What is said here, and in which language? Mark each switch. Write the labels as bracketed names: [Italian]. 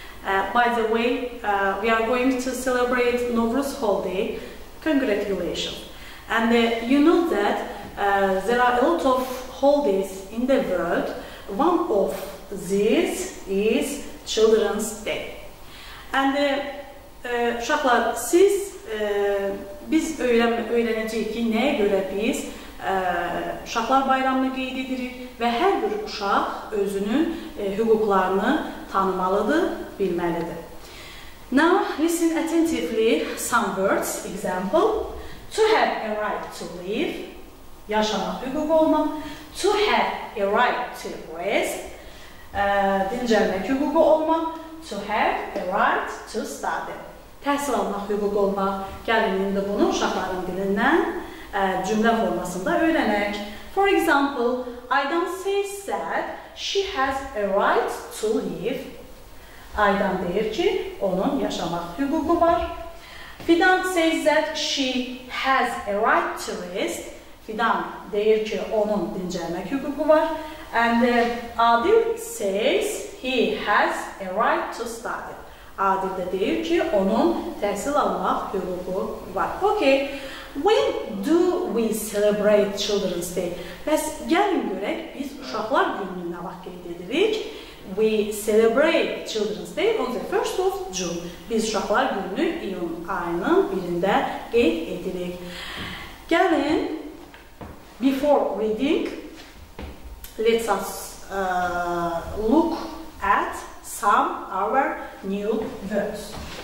[English] By the way, we are going to celebrate Nowruz holiday. Congratulations. And you know that there are a lot of holidays in the world. One of these is Children's Day. [Azerbaijani] And uşaklar, siz biz öğreneceğiz ki neye göre biz uşaklar bayramını qeyd edirik ve her bir uşaq özünün hüquqlarını tanımalıdır, bilməlidir. [English] Now listen attentively some words. Example: to have a right to live, [Azerbaijani] yaşamaq hüquq olmaq; [English] to have a right to rest, [Azerbaijani] dincəlmək hüququ olmaq; [English] to have a right to study, [Azerbaijani] təhsil almaq hüququ olmaq. Gəlin indi bunu uşaqların dilindən cümlə formasında öyrənək. [English] For example, Aydan says that she has a right to live. [Azerbaijani] Aydan deyir ki, onun yaşamaq hüququ var. [English] Fidan says that she has a right to rest. [Azerbaijani] Fidan deyir ki, onun dincəlmək hüququ var. [English] And Adil says he has a right to study. [Azerbaijani] Adil de deyir ki, onun təhsil almaq hüququ var. [English] Okay. When do we celebrate Children's Day? [Azerbaijani] Bəs gəlin görək, biz uşaqlar gününü nə vaxt qeyd edirik? [English] We celebrate Children's Day on the 1st of June. [Azerbaijani] Biz uşaqlar gününü iyun ayının 1-də qeyd edirik. Gəlin, [English] before reading, let's us look at some our new words.